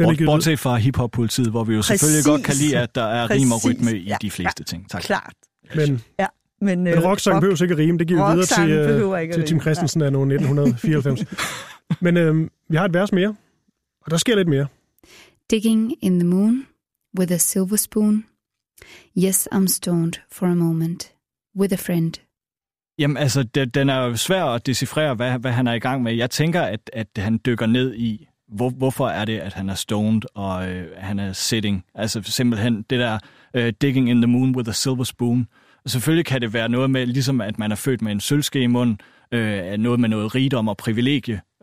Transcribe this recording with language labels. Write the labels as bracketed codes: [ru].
[da] Bortset fra hiphop-politiet, hvor vi jo selvfølgelig godt kan lide, at der er rim og rytme i de fleste ting. Tak. Klart. Men rocksangen behøver ikke rime, det giver videre til Tim Christensen af nogen 1994. Men vi har et vers mere, og der sker lidt mere. [en] Digging in the moon with a silver spoon. Yes, I'm stoned for a moment with a friend. [da] Jamen, altså, den er jo svær at decifrere, hvad han er i gang med. Jeg tænker, at han dykker ned i, hvorfor er det, at han er stoned, og han er sitting. [en] Altså, simpelthen det der digging in the moon with a silver spoon. [da] Selvfølgelig kan det være noget med, ligesom at man er født med en sølvske i munden, noget med noget rigdom og privilegie.